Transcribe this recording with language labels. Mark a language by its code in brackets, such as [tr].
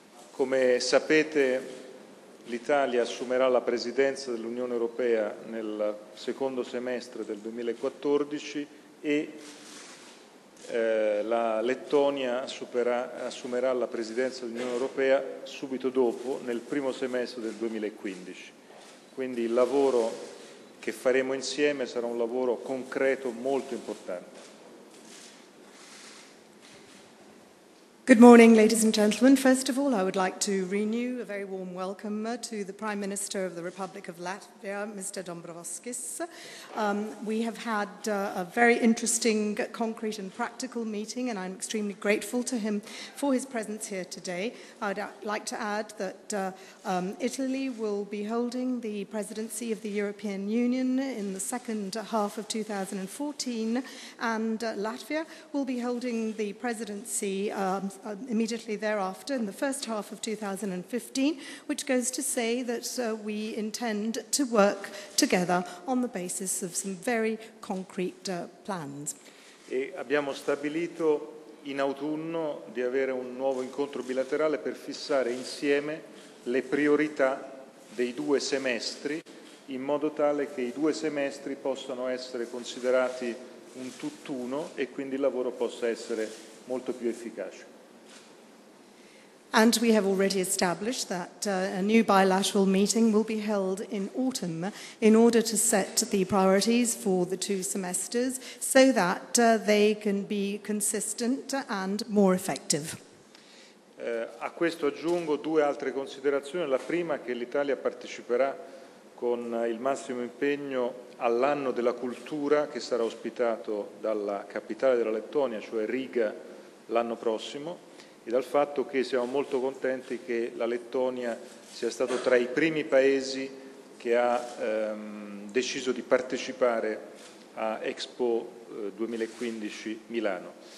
[it] Come sapete, l'Italia assumerà la presidenza dell'Unione Europea nel secondo semestre del 2014 e la Lettonia assumerà la presidenza dell'Unione Europea subito dopo, nel primo semestre del 2015. Quindi il lavoro che faremo insieme sarà un lavoro concreto molto importante. [en] Good morning, ladies and gentlemen. First of all, I would like to renew a very warm welcome to the Prime Minister of the Republic of Latvia, Mr. Dombrovskis. We have had a very interesting, concrete and practical meeting, and I'm extremely grateful to him for his presence here today. I'd like to add that Italy will be holding the presidency of the European Union in the second half of 2014, and Latvia will be holding the presidency immediately thereafter in the first half of 2015, which goes to say that we intend to work together on the basis of some very concrete plans. [it] E abbiamo stabilito in autunno di avere un nuovo incontro bilaterale per fissare insieme le priorità dei due semestri, in modo tale che i due semestri possano essere considerati un tutt'uno e quindi il lavoro possa essere molto più efficace. [en] And we have already established that a new bilateral meeting will be held in autumn in order to set the priorities for the two semesters so that they can be consistent and more effective. [it] A questo aggiungo due altre considerazioni. La prima è che l'Italia parteciperà con il massimo impegno all'anno della cultura che sarà ospitato dalla capitale della Lettonia, cioè Riga, l'anno prossimo. E dal fatto che siamo molto contenti che la Lettonia sia stato tra i primi paesi che ha deciso di partecipare a Expo 2015 Milano.